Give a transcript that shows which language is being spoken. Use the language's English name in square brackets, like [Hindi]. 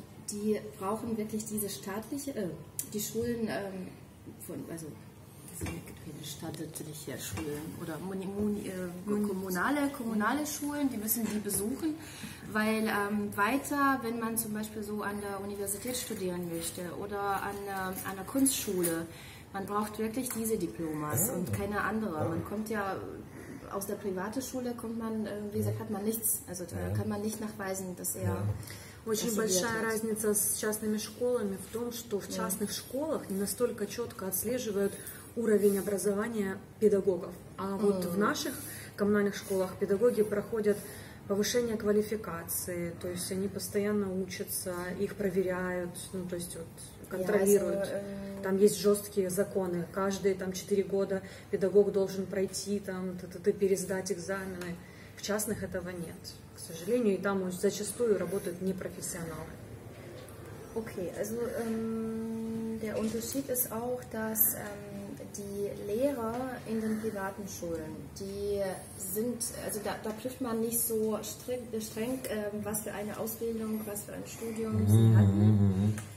[German] Die brauchen wirklich diese staatliche, die Schulen von, also das sind keine staatliche Schulen oder kommunale Schulen, die müssen sie besuchen, weil weiter, wenn man zum Beispiel so an der Universität studieren möchte oder an einer Kunstschule, Man braucht wirklich diese Diplomas und keine andere. Man kommt ja aus der privaten Schule, kommt man, wie gesagt, hat man nichts, also da kann man nicht nachweisen, dass er... [Russian] Очень большая разница с частными школами в том, что в частных школах не настолько четко отслеживают уровень образования педагогов. А вот в наших коммунальных школах педагоги проходят повышение квалификации, то есть они постоянно учатся, их проверяют, ну то есть вот контролируют. Там есть жесткие законы, каждые там 4 года педагог должен пройти, там, пересдать экзамены. В частных этого нет. К сожалению, и там зачастую работают непрофессионалы. [German] Okay, also der Unterschied ist auch, dass die Lehrer in den privaten Schulen, die sind, also da prüft man nicht so streng, was für eine Ausbildung, was für ein Studium sie hatten.